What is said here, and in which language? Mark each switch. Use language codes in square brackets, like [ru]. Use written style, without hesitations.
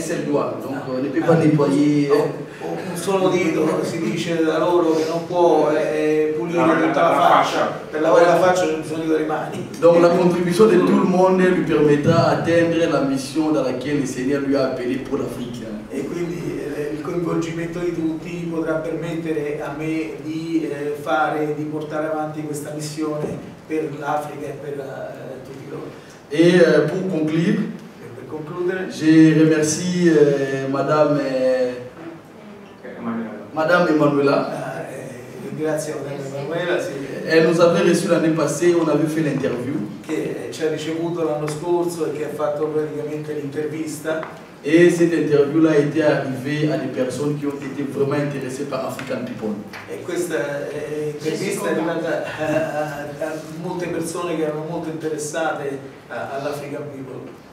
[fr] seul doigt, donc ne peut pas nettoyer. [it] Un solo dito si dice da loro che non può pulire tutta la faccia. Per lavare la faccia c'è bisogno delle mani. [fr] Donc la contribution de tout le monde lui permettra d'atteindre la mission dans laquelle le Seigneur lui a appelé pour l'Afrique. [it] E quindi il coinvolgimento di tutti potrà permettere a me di fare, di portare avanti questa missione per l'Africa e per tutti loro. E [fr] pour conclure, [it] per concludere, [fr] je remercie Madame Emanuela. [it] Grazie Madame Emanuela, sì. [fr] Elle nous avait reçu l'année passée, on avait fait l'interview. [it] Che ci ha ricevuto l'anno scorso e che ha fatto praticamente l'intervista. [fr] Et cette interview-là était arrivée à des personnes qui ont été vraiment intéressées par African People. Et [it] questa intervista è arrivata a molte persone che erano molto interessate all'African People.